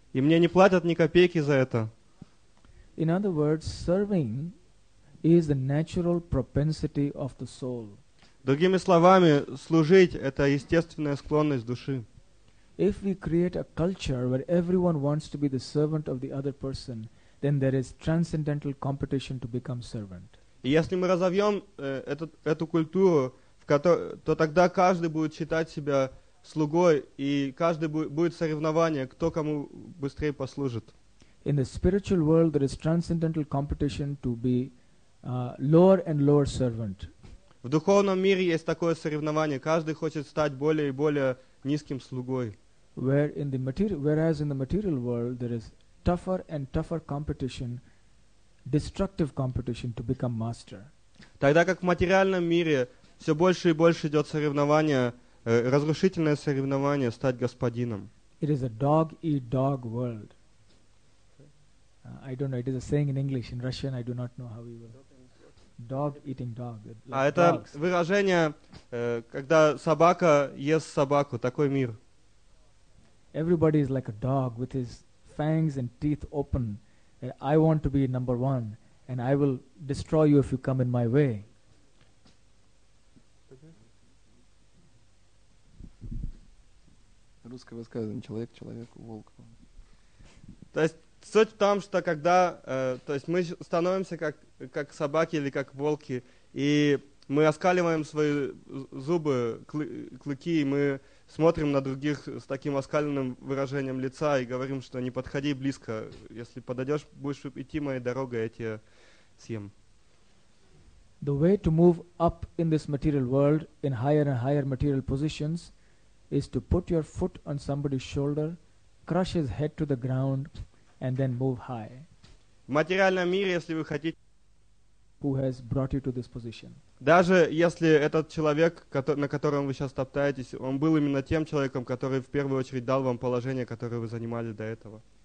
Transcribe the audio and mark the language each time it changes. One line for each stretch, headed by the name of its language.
Russian: И мне не платят ни копейки за это.
English: In other words, serving is the natural propensity of the soul.
Russian: Другими словами, служить – это естественная склонность души.
English: If we create a culture where everyone wants to be the servant of the other person, then there is transcendental competition to become servant.
Russian: И если мы разовьем эту культуру, то тогда каждый будет считать себя слугой, и каждый будет соревнование, кто кому быстрее послужит.
English: In the spiritual world, there is transcendental competition to be lower and lower servant.
Russian: В духовном мире есть такое соревнование. Каждый хочет стать более и более низким слугой.
English: Whereas in the material world, there is tougher and tougher competition, destructive competition to become master.
Russian: Тогда как в материальном мире все больше и больше идет соревнование, разрушительное соревнование стать господином.
English: It is a dog-eat-dog world. I don't know, it is a saying in English. In Russian, I do not know how we will. Dog eating dog.
Russian: А это выражение, когда собака ест собаку, такой мир.
English: Everybody is like a dog with his fangs and teeth open. And I want to be number one, and I will destroy you if you come in my way.
Russian: Русское высказывание: человек человеку волк. То есть суть в том, что когда, то есть мы становимся как собаки или как волки, и мы оскаливаем свои зубы, клыки, и мы смотрим на других с таким оскаленным выражением лица и говорим, что не подходи близко. Если подойдешь, будешь идти моей дорогой, я тебя съем.
English: The way to move up in this material world, in higher and higher material positions, is to put your foot on somebody's shoulder, crush his head to the ground, and then move high.
Russian: В материальном мире, если вы хотите...
English: Who has brought you to this position?
Russian: Даже если этот человек, на котором вы сейчас топтаетесь, он был именно тем человеком, который в первую очередь дал вам положение, которое вы занимали до этого.